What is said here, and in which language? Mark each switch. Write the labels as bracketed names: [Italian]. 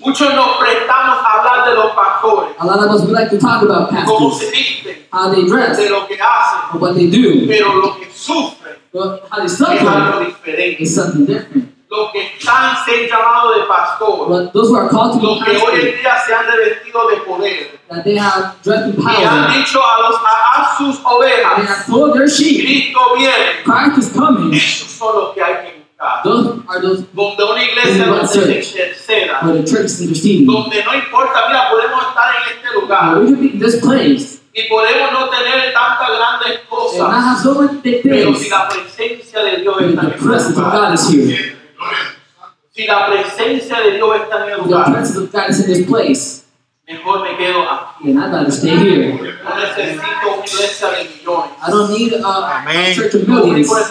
[Spanish] Muchos nos prestamos a hablar de los pastores. [English] A lot of us we like to talk about pastors. [Spanish] Cómo se visten. [English] How they dress. [Spanish] De lo que hacen. [English] Or what they do. [Spanish] Pero lo que sufren. [English] But how they suffer. [Spanish] Es algo diferente. [English] Is something different. [Spanish] Lo que están siendo llamados de pastor. [English] But those who are called to be pastors. [Spanish] Lo que hoy en día se han revestido de poder. [English] That they have dressed in power. [Spanish] Y han dicho a los a sus ovejas. [English] They have told their sheep. [Spanish] Cristo viene. [English] Christ is coming. [Spanish] Eso es lo que hay que [English] those are those [Spanish] donde una iglesia donde se [English] where the church is interesting. [Spanish] Donde no importa, mira, podemos estar en este lugar. [English] We can be in this place. [Spanish] Y podemos no tener tantas grandes cosas. [English] And not have so many things. [Spanish] Pero si la presencia de Dios está [English] the presence of God is here. [Spanish] Si la presencia de Dios está en el lugar. [English] The presence of God is in this place. [Spanish] Mejor me quedo aquí. [English] And I'd rather stay here. [Spanish] No necesito una iglesia de millones. [English] I don't need a church of millions.